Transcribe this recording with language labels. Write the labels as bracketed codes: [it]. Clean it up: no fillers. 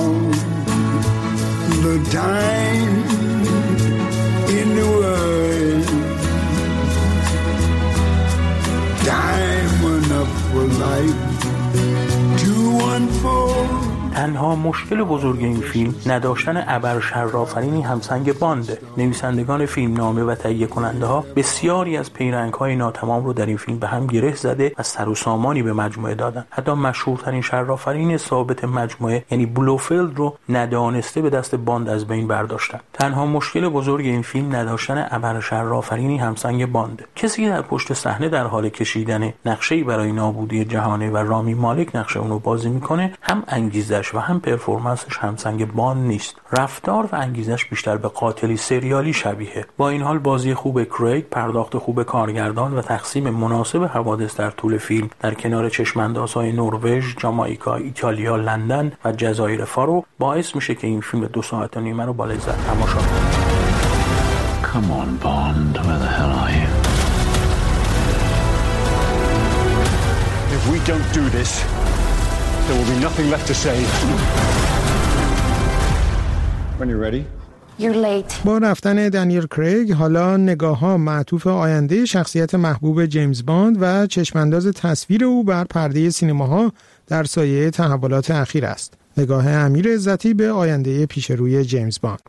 [en] The time in the world, time enough for life to unfold. [fa] تنها مشکل بزرگ این فیلم نداشتن ابر شرافرینی همسنگ بانده. نویسندگان فیلم نامه و تهیه کننده ها بسیاری از پیرنگ های ناتمام رو در این فیلم به هم گره زده و سر و سامانی به مجموعه دادن. حتی مشهورترین شرافرین ثابت مجموعه، یعنی بلوفیلد، رو ندانسته به دست باند از بین برداشتن. تنها مشکل بزرگ این فیلم نداشتن ابر شرافرینی همسنگ بانده. کسی در پشت صحنه در حال کشیدن نقشه برای نابودی جهانی و رامی مالک نقش اون رو بازی میکنه، هم انگیزه و هم پرفورمنسش همسنگ باند نیست. رفتار و انگیزش بیشتر به قاتلی سریالی شبیه. با این حال بازی خوب کریگ، پرداخت خوب کارگردان و تقسیم مناسب حوادث در طول فیلم در کنار چشم‌اندازهای نروژ، جامائیکا، ایتالیا، لندن و جزایر فارو باعث میشه که این فیلم 2 ساعت و نیم رو با لذت تماشا کنید. [en] Come on, Bond. Where the hell are you? If we don't do this, there will be nothing left to say. When you're ready. [fa] با رفتن دانیل کریگ حالا نگاه‌ها معطوف آینده شخصیت محبوب جیمز باند و چشم‌انداز تصویر او بر پرده سینماها در سایه تحولات اخیر است. نگاه امیر عزتی به آینده پیش روی جیمز باند.